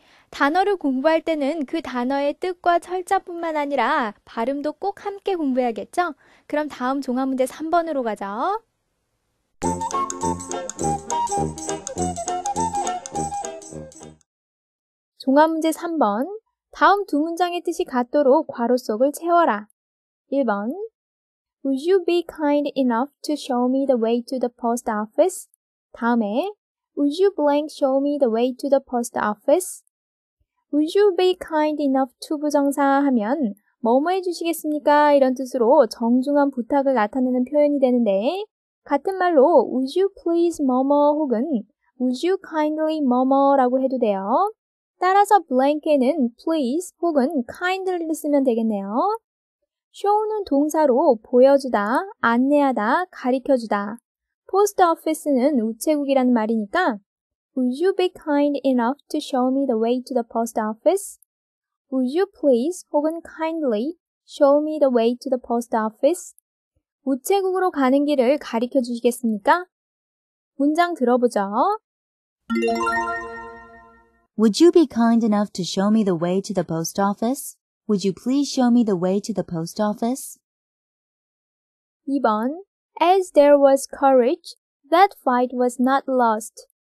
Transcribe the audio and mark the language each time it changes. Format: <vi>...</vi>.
<ko>단어를 공부할 때는 그 단어의 뜻과 철자뿐만 아니라 발음도 꼭 함께 공부해야겠죠? 그럼 다음 종합문제 3번으로 가죠. 종합문제 3번. 다음 두 문장의 뜻이 같도록 괄호 속을 채워라. 1번.</ko> <en>Would you be kind enough to show me the way to the post office?</en> <ko>다음에</ko> <en>Would you blank show me the way to the post office? Would you be kind enough to</en> <ko>부정사 하면 뭐뭐 해주시겠습니까? 이런 뜻으로 정중한 부탁을 나타내는 표현이 되는데 같은 말로</ko> <en>Would you please</en> <ko>뭐뭐 혹은</ko> <en>Would you kindly</en> <ko>뭐뭐라고 해도 돼요. 따라서 blank에는 please 혹은 kindly를 쓰면 되겠네요. show는 동사로 보여주다, 안내하다, 가리켜주다.</ko> <en>post office는</en> <ko>우체국이라는 말이니까</ko> <en>Would you be kind enough to show me the way to the post office? Would you please</en> <ko>혹은</ko> <en>kindly show me the way to the post office?</en> <ko>우체국으로 가는 길을 가리켜 주시겠습니까? 문장 들어보죠.</ko> <en>Would you be kind enough to show me the way to the post office? Would you please show me the way to the post office?</en> <ko>2번.</ko> <en>As there was courage, that fight was not lost.</en>